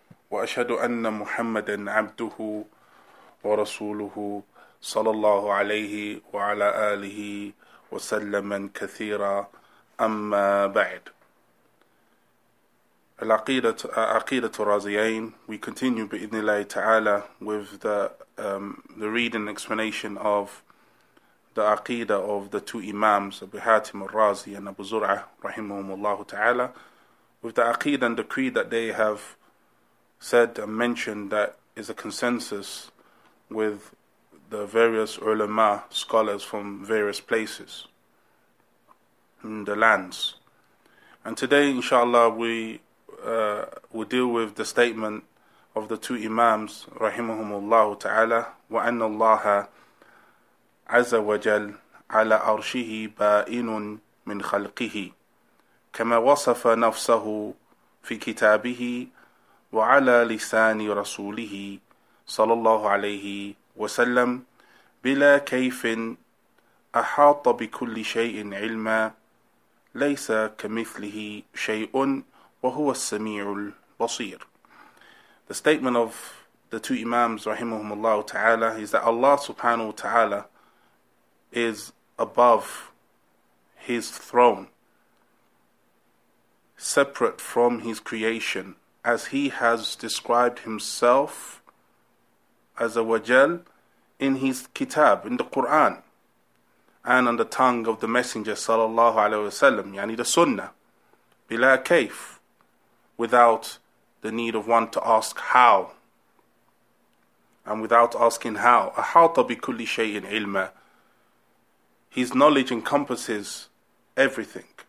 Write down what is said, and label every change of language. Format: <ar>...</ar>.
<ar>وأشهد أن محمدا عبده ورسوله صلى الله عليه وعلى آله وسلم كثيرا أما بعد العقيدة الرازيين.</ar> <en>We continue</en> <ar>بإذن الله تعالى</ar> <en>with the reading explanation of the Aqidah of the two Imams, Abu Hatim al-Razi and Abu Zur'ah,</en> <ar>رحمهم الله تعالى,</ar> <en>with the Aqidah and the creed that they have said and mentioned that is a consensus with the various ulama, scholars from various places in the lands. And today, inshallah, we deal with the statement of the two Imams,</en> <ar>رحمهم الله تعالى, وأن الله عز وجل على أرشه بائن من خلقه كما وصف نفسه في كتابه وعلى لسان رسوله صلى الله عليه وسلم بلا كيف أحاط بكل شيء علما ليس كمثله شيء وهو السميع البصير.</ar> <en>The statement of the two Imams</en> <ar>رحمهم الله تعالى</ar> <en>is that Allah subhanahu wa ta'ala is above his throne, separate from his creation, as he has described himself as a wajal in his kitab, in the Quran, and on the tongue of the Messenger sallallahu alaihi wasallam, yani the sunnah, bila kayf, without the need of one to ask how, and without asking how, ahata bi kulli shay'in ilma, his knowledge encompasses everything.</en>